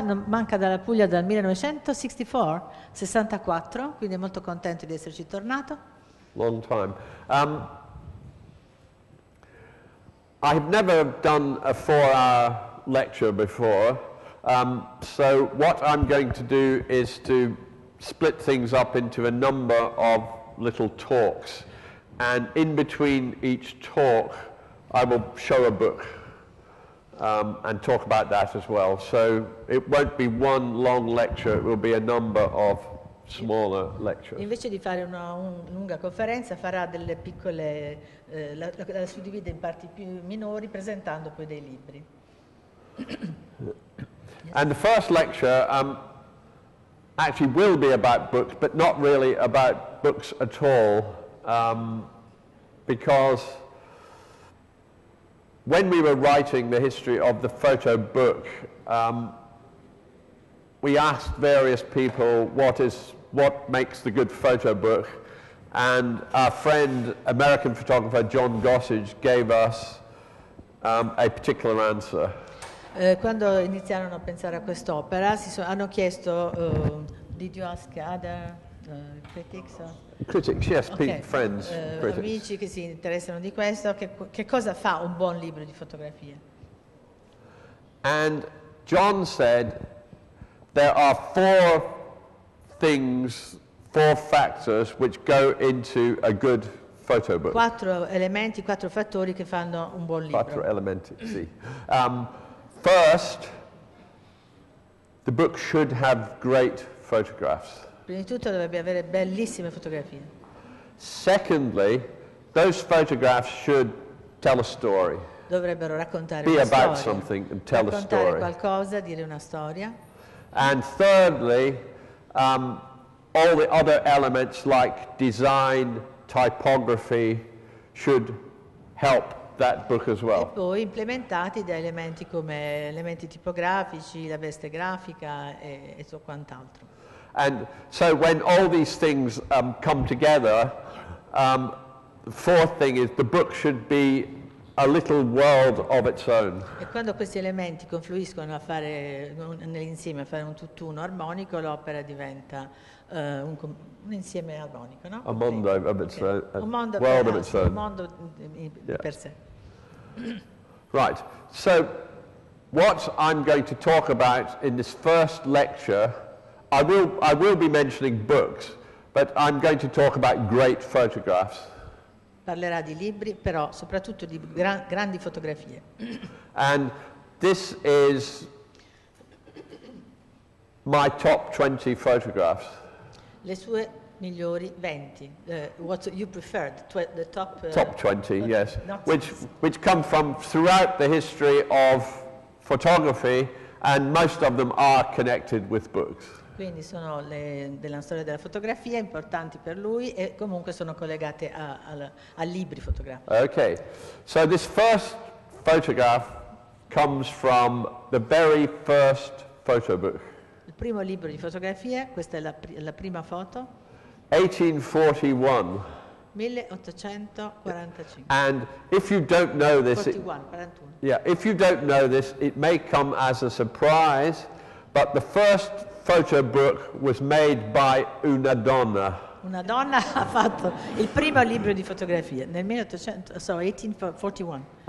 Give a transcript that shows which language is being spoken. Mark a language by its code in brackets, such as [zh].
[it] Non manca dalla Puglia dal 1964, quindi è molto contento di esserci tornato. [en] Long time. I have never done a four-hour lecture before, so what I'm going to do is to split things up into a number of little talks, and in between each talk I will show a book and talk about that as well. So it won't be one long lecture, it will be a number of smaller lectures. [it] Invece di fare una lunga conferenza farà delle piccole la suddivide in parti più minori presentando poi dei libri. [en] And the first lecture actually will be about books, but not really about books at all, because when we were writing the history of the photo book, we asked various people what makes the good photo book, and our friend, American photographer John Gossage, gave us a particular answer. [it] Quando iniziarono a pensare a quest'opera, hanno chiesto, [en] did you ask other critics? Critics, yes, okay. Friends, critics. [it] Amici che si interessano di questo, che cosa fa un buon libro di fotografia? [en] And John said, there are four things, four factors which go into a good photo book. [it] Quattro elementi, quattro fattori che fanno un buon libro. Quattro elementi, sì. [en] First, the book should have great photographs. [it] Prima di tutto dovrebbe avere bellissime fotografie. [en] Secondly, those photographs should tell a story. [it] Dovrebbero raccontare [en] be [it] una [en] about Something and tell [it] raccontare [en] a story. [it] Qualcosa, dire una storia. [en] And thirdly, all the other elements like design, typography should help that book as well. [it] E poi implementati da elementi come elementi tipografici, la veste grafica e so quant'altro. [en] And so when all these things come together, the fourth thing is the book should be a little world of its own. [it] E quando questi elementi confluiscono a fare nell'insieme a fare un tutt'uno armonico, l'opera diventa un insieme armonico, no? [en] A mondo of its own. [it] Un mondo [en] world of its own. [it] Un mondo per sé. [en] Right. So what I'm going to talk about in this first lecture, I will be mentioning books, but I'm going to talk about great photographs. [it] Parlerà di libri, però soprattutto di grandi fotografie. [en] And this is my top 20 photographs. [it] Le sue migliori 20. [en] What you preferred, the top... top 20, yes. Which come from throughout the history of photography, and most of them are connected with books. [it] Quindi sono le della storia della fotografia importanti per lui e comunque sono collegate a libri fotografici. [en] Okay. So this first photograph comes from the very first photo book. [it] il primo libro di fotografie, questa è la prima foto. 1841. 1845. [en] And if you don't know this, 41. Yeah, if you don't know this, it may come as a surprise, but the first photo book was made by [it] una donna. Una donna ha fatto il primo libro di fotografie nel 1841.